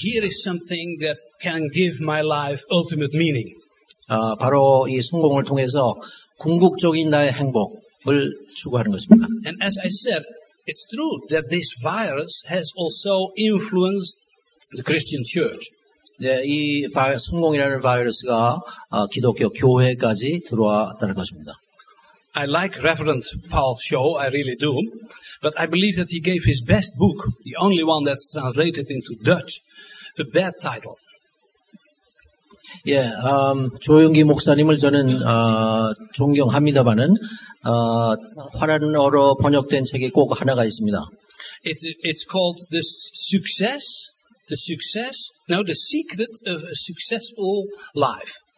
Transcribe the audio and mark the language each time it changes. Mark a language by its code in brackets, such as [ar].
[en] Here is something that can give my life ultimate meaning. [ko] 바로 이 성공을 통해서 궁극적인 나의 행복을 추구하는 것입니다. [en] And as I said, it's true that this virus has also influenced the Christian church. [ko] 네, 이 성공이라는 바이러스가 기독교 교회까지 들어왔다는 것입니다. [en] I like Reverend Paul Shaw, I really do. But I believe that he gave his best book, the only one that's translated into Dutch, a bad title. [ko] 예, 조용기 목사님을 저는 존경합니다만은 화란어로 번역된 책이 꼭 하나가 있습니다. [en] It's called The Success. The secret of a successful life.